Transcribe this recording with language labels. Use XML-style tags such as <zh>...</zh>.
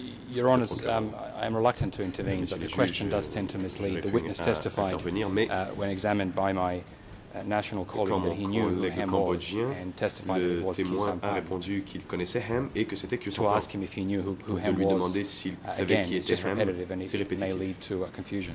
<en>Your Honour, I am reluctant to intervene, but the question does tend to mislead. The witness testified when examined by my national colleague that he knew, Ham Hodge, and testified that it was Khieu Samphan.</en> <fr>A répondu qu'il connaissait Ham et que c'était Khieu Samphan.</fr> <en>To ask him if he knew who Ham was, again, it's just repetitive and it may lead to a confusion.</en>